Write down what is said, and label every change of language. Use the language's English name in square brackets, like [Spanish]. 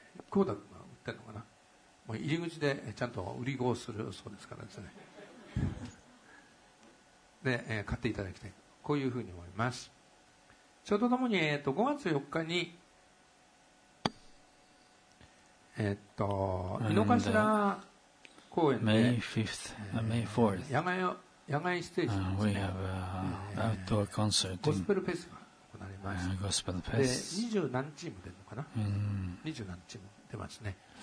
[Japanese] 久保田君が売ってるのかな、もう入り口でちゃんと売り子をするそうですからですねで、買っていただきたい、こういうふうに思います。ちょうどともに、5月4日に井の頭公園で [English] May 5th, May 4th [Japanese] 野外ステージですね。 [English] We have a outdoor concert. [Japanese] ゴスペルフェスが行われます。ゴスペルフェス。で、20何チーム出るのかな、20何チーム出ますね。